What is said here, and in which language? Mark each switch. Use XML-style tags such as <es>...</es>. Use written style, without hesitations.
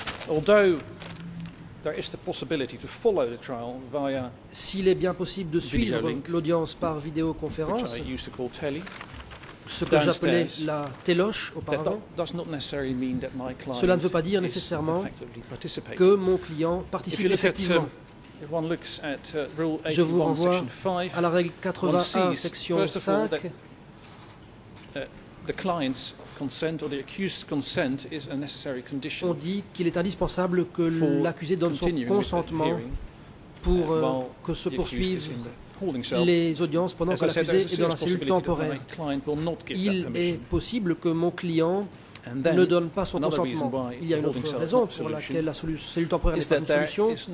<en>Although there is the possibility to follow the trial via</en> <fr>s'il est bien possible de suivre l'audience par vidéoconférence,</fr> <en>which I used to call tele,</en> <fr>ce que j'appelais la téloche auparavant,</fr> <en>that does not necessarily mean that my client</en> <fr>cela ne veut pas dire nécessairement que mon client participe effectivement.</fr> <en>If one looks at rule 81,</en> <fr>je vous renvoie</fr> <en>section 5,</en> <fr>à la règle 81, section 5,</fr> <en>the client's consent or the accused's consent is a necessary condition.</en> <fr>On dit qu'il est indispensable que l'accusé donne son consentement pour que se poursuivent les audiences pendant que l'accusé est dans la cellule temporaire. Il est possible que mon client ne donne pas son consentement. Il y a une autre raison pour laquelle la cellule temporaire n'est pas une solution,</fr>